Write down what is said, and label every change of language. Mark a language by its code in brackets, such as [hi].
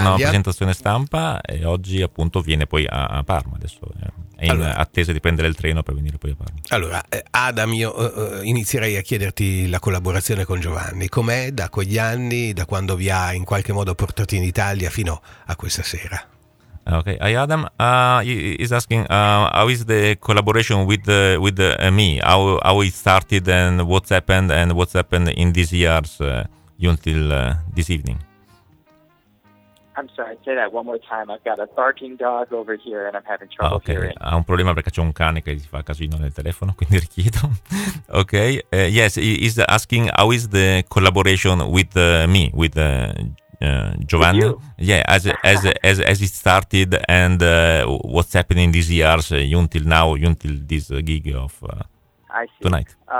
[it] Una presentazione stampa e oggi appunto viene poi a Parma adesso. È in attesa di prendere il treno per venire poi a Parma. Allora, Adam, io inizierei a chiederti la collaborazione con Giovanni. Com'è da quegli anni, da quando vi ha in qualche modo portato in Italia fino a questa sera? [en] Okay, hi Adam. He's asking how is the collaboration with me? How it started and what's happened in these years until this evening? I'm sorry, say that one more time. I've got a barking dog over here and I'm having trouble hearing. [it] Ha un problema perché c'è un cane che si fa casino nel telefono, quindi richiedo. [en] Okay, yes, he's asking how is the collaboration with me, with Giovanni? With you. Yeah, as it started and what's happening in these years until now, until this gig of tonight.